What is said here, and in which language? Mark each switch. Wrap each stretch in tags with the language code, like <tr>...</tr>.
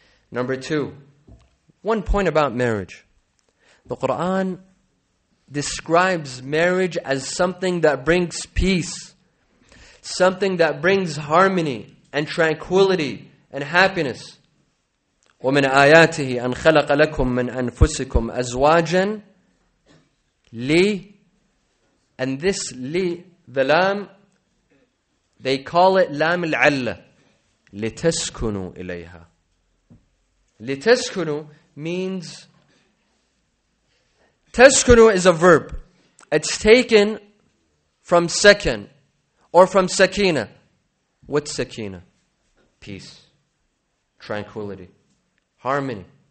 <en>Number two, one point about marriage. The Quran describes marriage as something that brings peace, something that brings harmony and tranquility and happiness.</en> <ar>وَمِنْ آيَاتِهِ أَنْ خَلَقَ لَكُمْ مِنْ أَنفُسِكُمْ أَزْوَاجًا لِي.</ar> <en>And this li, the lam, They call it</en> <ar>لام العلة لتسكنوا إليها.</ar> <en>لتسكنوا means تسكنوا is a verb. It's taken from سكن or from سكينة. What's سكينة? Peace, tranquility, harmony.</en>